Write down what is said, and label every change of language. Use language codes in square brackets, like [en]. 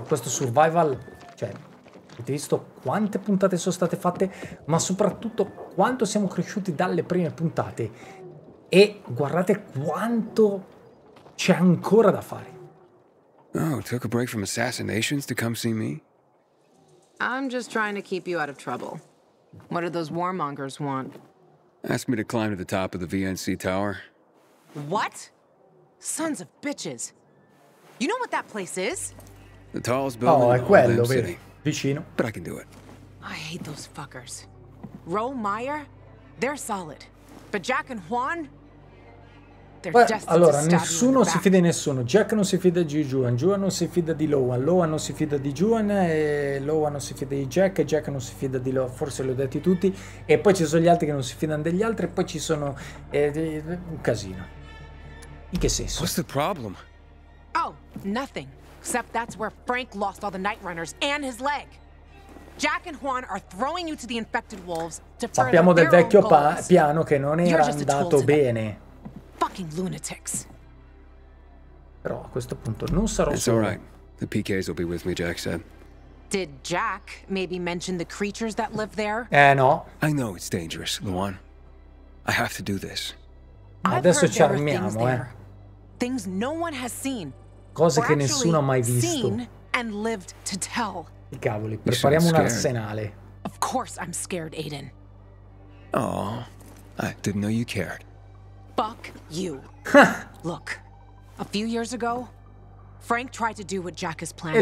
[it] Questo survival, cioè, avete visto quante puntate sono state fatte, ma soprattutto quanto siamo cresciuti dalle prime puntate. E guardate quanto c'è ancora da fare. [en] Oh, took a break from assassinations to come see me? I'm just trying to keep you out of trouble. What do those warmongers want? Ask me to climb to the top of the VNC tower. What? Sons of bitches. You know what that place is? The tallest building in the whole damn city. [it] Vicino. [en] But I can do it. I hate those fuckers. Roe, Meyer, they're solid. But Jack and Juan? [it] Beh, allora, nessuno si fida di nessuno. Jack non si fida di Juan, Juan non si fida di Lowan, Lowan non si fida di Juan, e Lowan non si fida di Jack, e Jack non si fida di Lowan, forse li ho detti tutti. E poi ci sono gli altri che non si fidano degli altri, e poi ci sono... un casino. In che senso? [en] What's the problem? Oh, nothing. Except that's where Frank lost all the Night Runners and his leg. Jack and Juan are throwing you to the infected wolves to further. [it] Sappiamo del vecchio piano che non era andato bene. [en] Fucking lunatics. [it] Però a questo punto non sarò solo. [en] Right. The PKs will be with me, Jack said. Did Jack maybe mention the creatures that live there? No. I know it's dangerous, Luan. I have to do this. [it] Ma adesso ci armiamo, [en] Things no one has seen. [it] Cose che nessuno ha mai visto. [en] Seen and lived to tell. [it] Cavoli, prepariamo un arsenale. [en] Of course I'm scared, Aiden. Oh, I didn't know you cared. Fuck you. Look, a few years ago, Frank tried to do what Jack is planning.